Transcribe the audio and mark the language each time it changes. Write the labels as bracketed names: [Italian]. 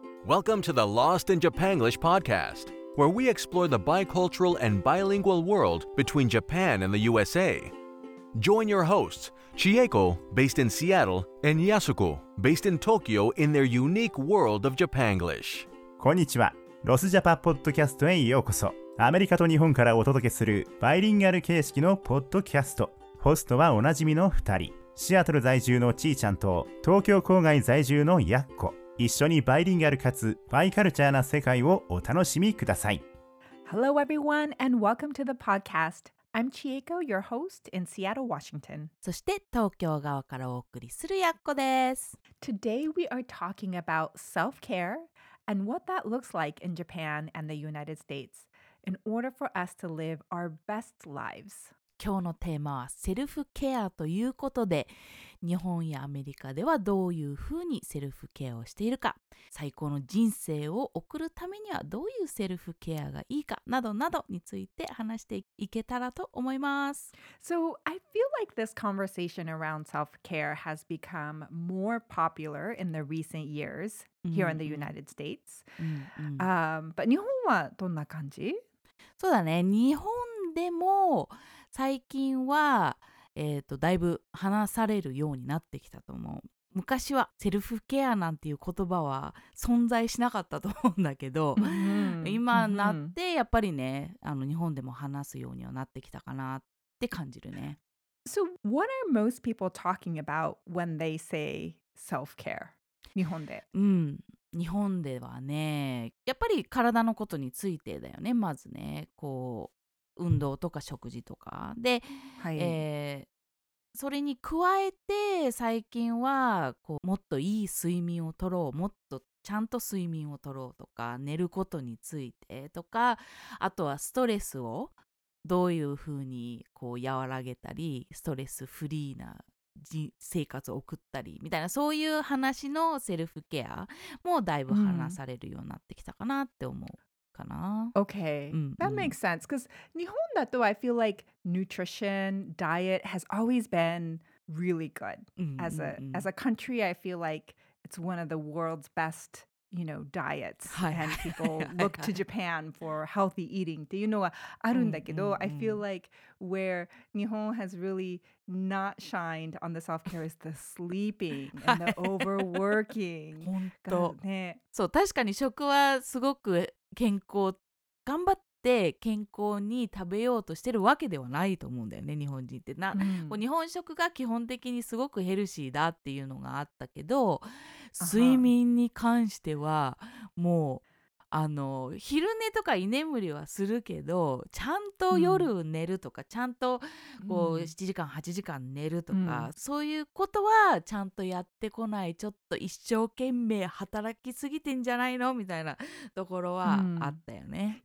[English] Welcome to the Lost in Japan English Podcast, where we explore the bicultural and bilingual world between Japan and the USA. Join your hosts, Chieko, based in Seattle, and Yasuko, based in Tokyo, in their unique world of Japanglish. [Japanese] こんにちは。ロスジャパポッドキャストへようこそ。アメリカと日本からお届けするバイリンガル形式のポッドキャスト。ホストはおなじみの2人。シアトル在住のちーちゃんと東京郊外在住のやっこ。一緒にバイリンガルかつバイカルチャーな世界をお楽しみください。 [English] Hello everyone and welcome to the podcast. I'm Chieko, your host in Seattle, Washington. [Japanese] そして東京側からお送りするやっこです。 [English] Today we are talking about self-care. And what that looks like in Japan and the United States in order for us to live our best lives. [Japanese] 今日のテーマはセルフケアということで、日本やアメリカではどういうふうにセルフケアをしているか、最高の人生を送るためにはどういうセルフケアがいいかなどなどについて話していけたらと思います。 [English] So I feel like this conversation around self-care has become more popular in the recent years here in the United States. [Japanese] But 日本はどんな感じ？そうだね、日本でも最近は、だいぶ話されるようになってきたと思う。昔はセルフケアなんていう言葉は存在しなかったと思うんだけど、今になってやっぱりね、日本でも話すようにはなってきたかなって感じるね。 [English] So what are most people talking about when they say self-care? [Japanese] 日本で。日本ではね、やっぱり体のことについてだよね。まずね、こう運動とか食事とかで、はい、それに加えて最近はこうもっといい睡眠をとろう、もっとちゃんと睡眠をとろうとか、寝ることについてとか、あとはストレスをどういうふうにこう和らげたり、ストレスフリーな生活を送ったりみたいな、そういう話のセルフケアもだいぶ話されるようになってきたかなって思うかな。 [English] Okay, that makes sense. Because [Japanese] 日本だと [English] I feel like nutrition, diet has always been really good. As a country, I feel like it's one of the world's best, you know, diets. And people look to Japan for healthy eating. [Japanese] っていうのはあるんだけど、 [English] I feel like where 日本 has really not shined on the self-care is the sleeping and the overworking. [Japanese] 本当。そう、確かに食はすごく健康、頑張って健康に食べようとしてるわけではないと思うんだよね、日本人って。日本食が基本的にすごくヘルシーだっていうのがあったけど、睡眠に関してはもう昼寝とか居眠りはするけど、ちゃんと夜寝るとか、ちゃんとこう7時間8時間寝るとか、そういうことはちゃんとやってこない、ちょっと一生懸命働きすぎてんじゃないのみたいなところはあったよね。